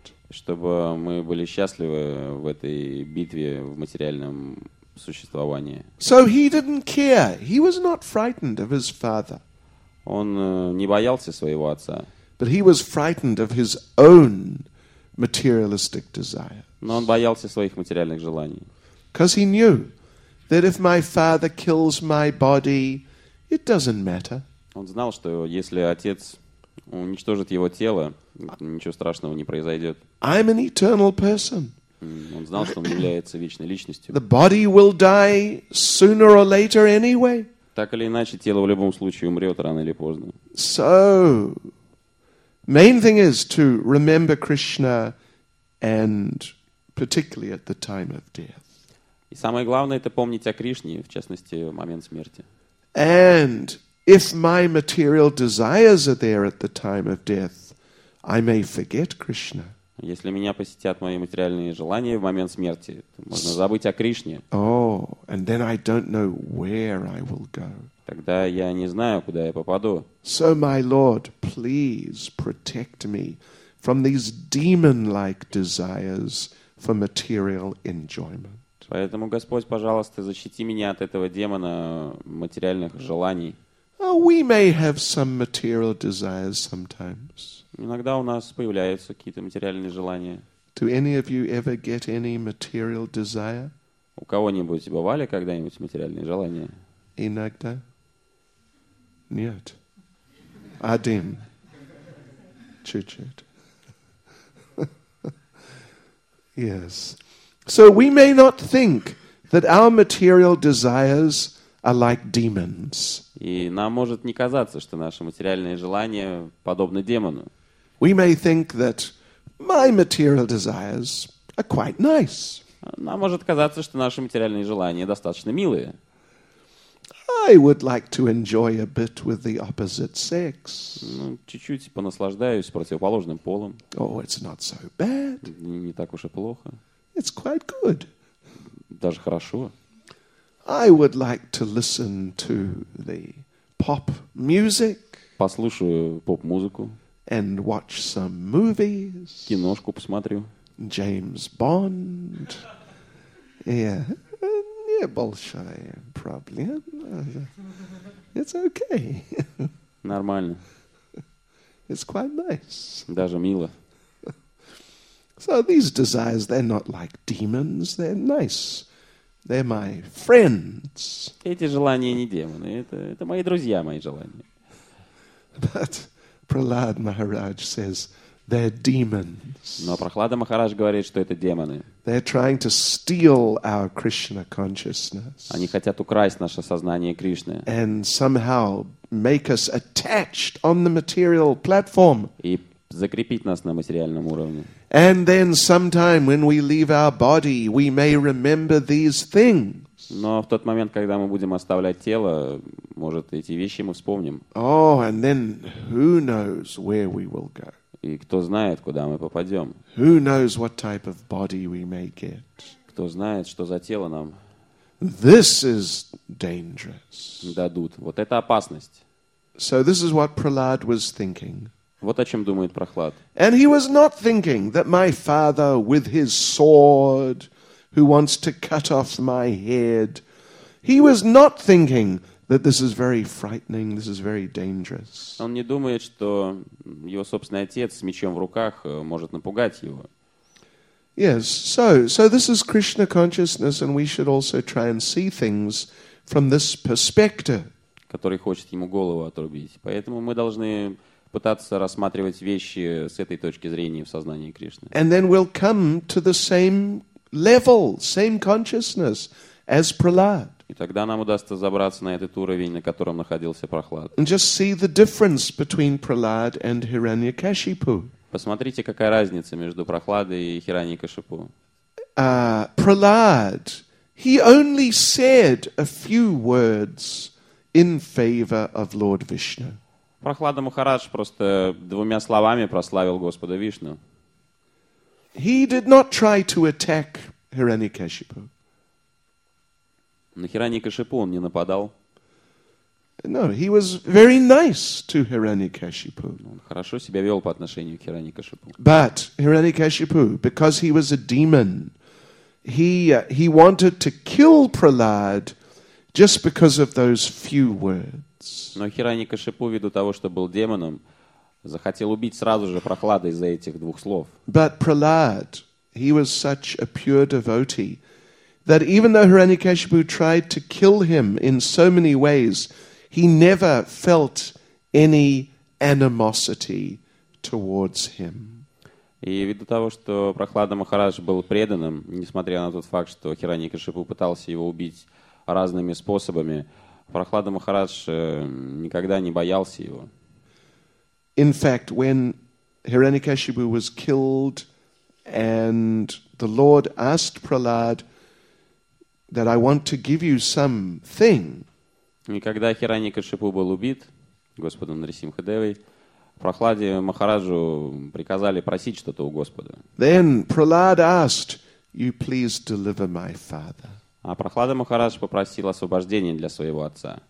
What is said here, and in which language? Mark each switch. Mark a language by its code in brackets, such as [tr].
[ru] Чтобы мы были счастливы в этой битве в материальном существовании. [en] So he didn't care. He was not frightened of his father. [ru] Он не боялся своего отца. [en] But he was frightened of his own materialistic desires. [ru] Но он боялся своих материальных желаний. [en] Because he knew that if my father kills my body, it doesn't matter. [ru] Он знал, что если отец уничтожит его тело, ничего страшного не произойдет. [en] I'm an eternal person. [ru] Он знал, что он является вечной личностью. [en] The body will die sooner or later anyway. [ru] Так или иначе, тело в любом случае умрет рано или поздно. [en] So main thing is to remember Krishna, and particularly at the time of death. [ru] И самое главное — это помнить о Кришне, в частности, в момент смерти. [en] And if my material desires are there at the time of death, I may forget Krishna. [ru] Если меня посетят мои материальные желания в момент смерти, то можно забыть о Кришне. [en] Oh, and then I don't know where I will go. [ru] Тогда я не знаю, куда я попаду. [en] So, my Lord, please protect me from these demon-like desires for material enjoyment. [ru] Поэтому, Господь, пожалуйста, защити меня от этого демона материальных желаний. [en] Oh, we may have some material desires sometimes. [ru] Иногда у нас появляются какие-то материальные желания. [en] Do any of you ever get any material desire? [ru] У кого-нибудь бывали когда-нибудь материальные желания? Иногда. Нет. Один. Чуть-чуть. [en] Yes. So we may not think that our material desires are like demons. [ru] И нам может не казаться, что наши материальные желания подобны демону. [en] We may think that my material desires are quite nice. [ru] Нам может казаться, что наши материальные желания достаточно милые. [en] I would like to enjoy a bit with the opposite sex. [ru] Ну, чуть-чуть понаслаждаюсь противоположным полом. [en] Oh, it's not so bad. [ru] Не так уж и плохо. [en] It's quite good. [ru] Даже хорошо. [en] I would like to listen to the pop music. [ru] Послушаю поп-музыку. [en] And watch some movies. [ru] Киношку посмотрю. [en] James Bond. Yeah. [ru] Не большая. [en] problem. It's okay. [ru] Нормально. [en] It's quite nice. [ru] Даже мило. [en] So these desires, they're not like demons, they're nice. They're my friends. [ru] Эти желания не демоны, это мои друзья, мои желания. [en] But Prahlad Maharaj says they're demons. [ru] Но Прохлада Махарадж говорит, что это демоны. [en] They're trying to steal our Krishna consciousness. [ru] Они хотят украсть наше сознание Кришны. [en] And somehow make us attached on the material platform. [ru] И закрепить нас на материальном уровне. [en] And then sometime when we leave our body, we may remember these things. [ru] Но в тот момент, когда мы будем оставлять тело, может, эти вещи мы вспомним. [en] Oh, and then who knows where we will go? [ru] И кто знает, куда мы попадем? [en] Who knows what type of body we may get? [ru] Кто знает, что за тело нам? [en] This is dangerous. [ru] Дадут. Вот это опасность. [en] So this is what Prahlad was thinking. [ru] Вот о чем думает Прохлад. [en] And he was not thinking that my father with his sword, who wants to cut off my head. He was not thinking that this is very frightening, this is very dangerous. [ru] Он не думает, что его собственный отец с мечом в руках может напугать его. [en] Yes, so this is Krishna consciousness, and we should also try and see things from this perspective. [ru] Который хочет ему голову отрубить. Поэтому мы должны пытаться рассматривать вещи с этой точки зрения в сознании Кришны. [en] And then we'll come to the same level, same consciousness as Prahlad. [ru] И тогда нам удастся забраться на этот уровень, на котором находился Прохлад. [en] And just see the difference between Prahlad and Hiranyakashipu. [ru] Посмотрите, какая разница между Прохладой и Хираньякашипу. [en] Prahlad, he only said a few words in favor of Lord Vishnu. [ru] Прохлада Махарадж просто двумя словами прославил Господа Вишну. [en] He did not try to attack Hiranyakashipu. [ru] На Хираньякашипу он не нападал. [en] No, he was very nice to Hiranyakashipu. [ru] Он хорошо себя вел по отношению к Хираньякашипу. [en] But Hiranyakashipu, because he was a demon, he wanted to kill Prahlad just because of those few words. [ru] Но Хираньякашипу, ввиду того, что был демоном, захотел убить сразу же Прохлада из-за этих двух слов. [en] But Prahlad, he was such a pure devotee that even though Hiranyakashipu tried to kill him in so many ways, he never felt any animosity towards him. [ru] И ввиду того, что Прохлада Махарадж был преданным, несмотря на тот факт, что Хиранья-кашипу пытался его убить разными способами, Прохлада Махарадж никогда не боялся его. [en] In fact, when Hiranyakashipu was killed and the Lord asked Prahlad that I want to give you something. [ru] И когда Хиранья-кашипу был убит Господом Нарисимха-девой, Прохладе Махараджу приказали просить что-то у Господа. [en] Then Prahlad asked, "You please deliver my father." [ru] А Прохлада Махарадж попросил освобождения для своего отца.